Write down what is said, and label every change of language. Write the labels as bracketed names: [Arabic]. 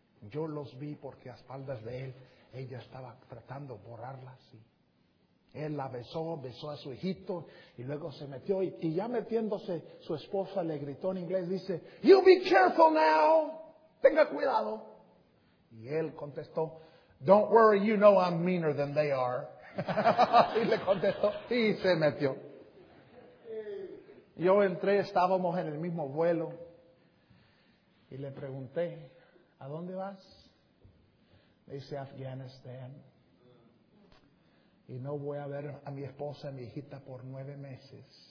[Spanish] Yo los vi porque a espaldas de él, ella estaba tratando de borrarlas. Y él la besó, besó a su hijito y luego se metió. Y ya metiéndose, su esposa le gritó en inglés, dice, [English] "You be careful now, [Spanish] tenga cuidado." Y él contestó, [English] "Don't worry, you know I'm meaner than they are." [Spanish] Y le contestó y se metió. Yo entré, estábamos en el mismo vuelo y le pregunté, "¿A dónde vas?" Me dice, "Afghanistan." Y no voy a ver a mi esposa y mi hijita por 9 meses.